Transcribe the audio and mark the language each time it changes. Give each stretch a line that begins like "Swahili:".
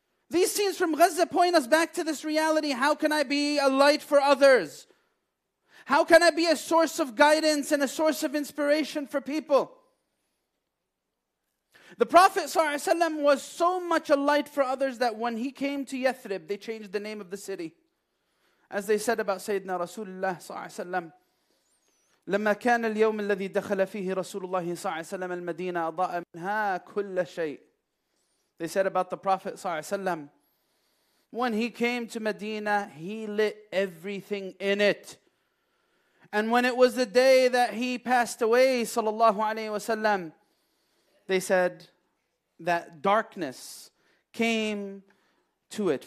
English: These scenes from Gaza point us back to this reality. How can I be a light for others? How can I be a source of guidance and a source of inspiration for people? The Prophet ﷺ was so much a light for others that when he came to Yathrib, they changed the name of the city. As they said about Sayyidina Rasulullah
Arabic: ﷺ, لَمَّا كَانَ الْيَوْمِ الَّذِي دَخَلَ فِيهِ رَسُولُ اللَّهِ ﷺ الْمَدِينَ أَضَاءَ مِنْهَا كُلَّ شَيْءٍ.
English: They said about the Prophet ﷺ, when he came to Medina, he lit everything in it. And when it was the day that he passed away, sallallahu alayhi wasallam, they said that darkness came to it.